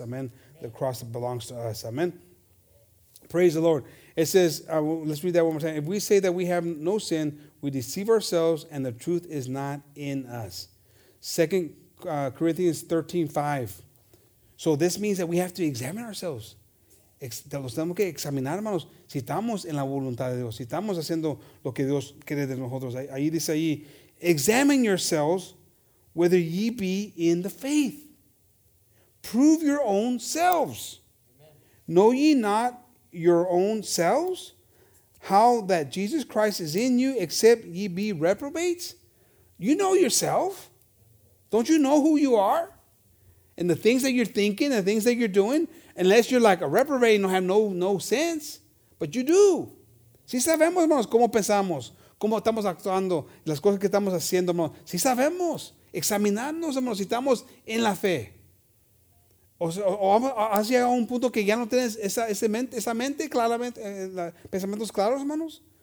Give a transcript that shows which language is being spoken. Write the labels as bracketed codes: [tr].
[en] Amen? The cross that belongs to us. Amen? Praise the Lord. It says, let's read that one more time. If we say that we have no sin, we deceive ourselves and the truth is not in us. 2 Corinthians 13:5. So this means that we have to examine ourselves. [es] Tenemos que examinar, hermanos, si estamos en la voluntad de Dios, si estamos haciendo lo que Dios quiere de nosotros. Ahí dice ahí, [en] examine yourselves whether ye be in the faith. Prove your own selves. Amen. Know ye not your own selves, how that Jesus Christ is in you, except ye be reprobates? You know yourself. Don't you know who you are? And the things that you're thinking, the things that you're doing, unless you're like a reprobate and have no sense. But you do. [es] Si sabemos, hermanos, cómo pensamos, cómo estamos actuando, las cosas que estamos haciendo, hermanos. Si sabemos, examinarnos, hermanos, si estamos en la fe. O has llegado a un punto que ya no tienes esa mente claramente, pensamientos claros, hermanos.